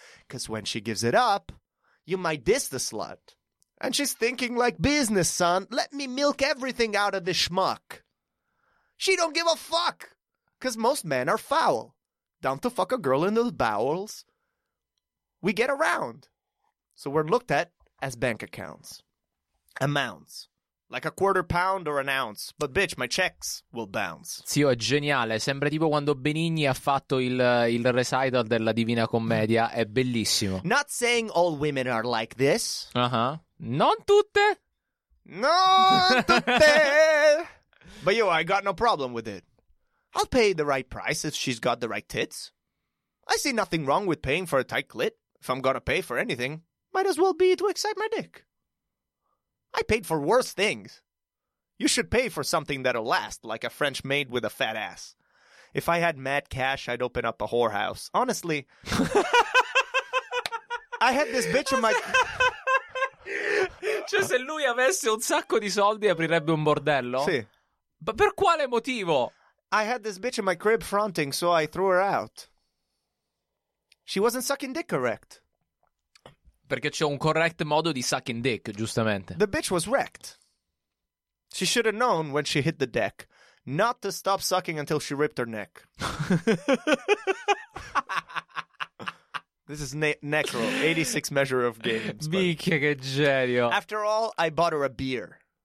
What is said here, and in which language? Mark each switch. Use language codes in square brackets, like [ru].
[en] Cause when she gives it up, you might diss the slut. And she's thinking like business, son, let me milk everything out of this schmuck. She don't give a fuck, because most men are foul. Down to fuck a girl in the bowels, we get around. So we're looked at as bank accounts. Amounts. Like a quarter pound or an ounce. But bitch, my checks will bounce. [it] Zio, è geniale. Sembra tipo quando Benigni ha fatto il recital della Divina Commedia. È bellissimo. [en] Not saying all women are like this. [it] Uh-huh. Non tutte. Non tutte. [en] But yo, I got no problem with it. I'll pay the right price if she's got the right tits. I see nothing wrong with paying for a tight clit. If I'm gonna pay for anything, might as well be to excite my dick. I paid for worse things. You should pay for something that'll last, like a French maid with a fat ass. If I had mad cash, I'd open up a whorehouse. Honestly, I had this bitch in my... [it] Cioè, se lui avesse un sacco di soldi, aprirebbe un bordello? Sì. Ma per quale motivo? [en] I had this bitch in my crib fronting, so I threw her out. She wasn't sucking dick correct. [it] Perché c'è un correct modo di [en] sucking dick, [it] giustamente. [en] The bitch was wrecked. She should have known when she hit the deck not to stop sucking until she ripped her neck. This is Necro, 86 measure of games. [it] Minchia, che genio. [en] After all, I bought her a beer.